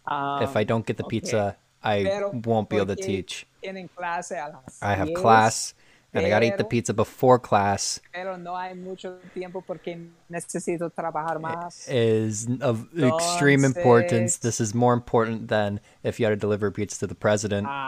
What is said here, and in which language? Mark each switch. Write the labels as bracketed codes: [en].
[en] If I don't get the pizza, I won't be able to teach. I have class, and I got to eat the pizza before class. [es] Pero no hay mucho tiempo porque necesito trabajar más. [en] It is of extreme importance. This is more important than if you had to deliver pizza to the president.